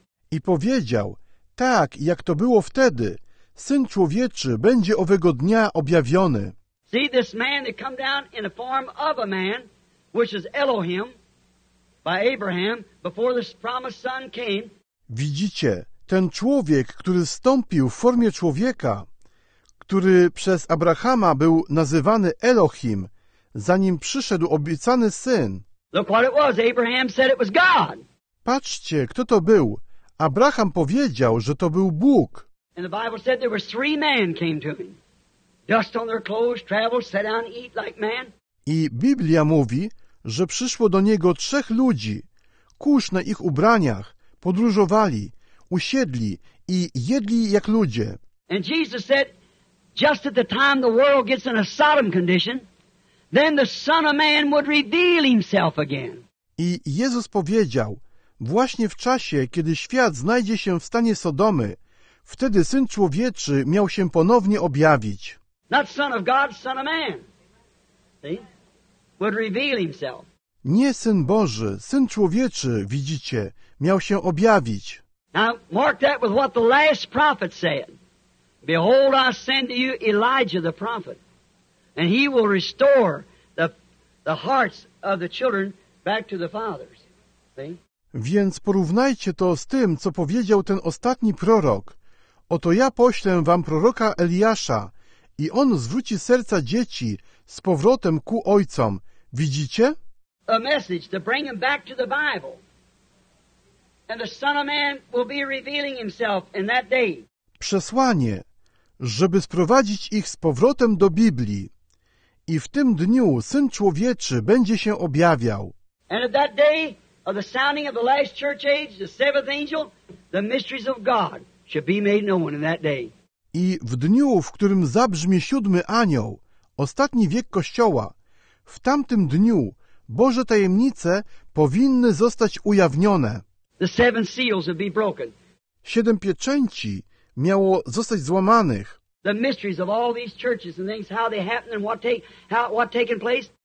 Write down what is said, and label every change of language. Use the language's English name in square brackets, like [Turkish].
[Polish] I powiedział, tak jak to było wtedy, Syn Człowieczy będzie owego dnia objawiony. [English] See, this man that come down in the form of a man, which is Elohim, by Abraham, before this promised son came. [Polish] Widzicie, ten człowiek, który wstąpił w formie człowieka, który przez Abrahama był nazywany Elohim, zanim przyszedł obiecany syn. [English] Look what it was. Abraham said it was God. [Polish] Patrzcie, kto to był. Abraham powiedział, że to był Bóg. [English] And the Bible said there were three men came to him. Dust on their clothes, travel, sat down, eat like man. [Polish] I Biblia mówi, że przyszło do niego trzech ludzi. Kurz na ich ubraniach, podróżowali, usiedli i jedli jak ludzie. [English] And Jesus said, just at the time the world gets in a Sodom condition, then the Son of Man would reveal himself again. [Polish] I Jezus powiedział, właśnie w czasie, kiedy świat znajdzie się w stanie Sodomy, wtedy Syn Człowieczy miał się ponownie objawić. [English] Not Son of God, Son of Man. See? Would reveal himself. [Polish] Nie Syn Boży, Syn Człowieczy, widzicie, miał się objawić. [English] Now mark that with what the last prophet said. Behold, I send to you Elijah the prophet, and he will restore the hearts of the children back to the fathers. See? [Polish] Więc porównajcie to z tym, co powiedział ten ostatni prorok. Oto ja poślę wam proroka Eliasza, i on zwróci serca dzieci z powrotem ku ojcom. Widzicie? [English] A message to bring them back to the Bible. And the Son of Man will be revealing himself in that day. [Polish] Przesłanie, żeby sprowadzić ich z powrotem do Biblii. I w tym dniu Syn Człowieczy będzie się objawiał. [English] And at that day of the sounding of the last church age, the seventh angel, the mysteries of God shall be made known in that day. [Polish] I w dniu, w którym zabrzmi siódmy anioł, ostatni wiek Kościoła, w tamtym dniu Boże tajemnice powinny zostać ujawnione. [English] The seven seals will be broken. [Polish] Siedem pieczęci miało zostać złamanych. [English] The mysteries of all these churches and things, how they happened and what taken place.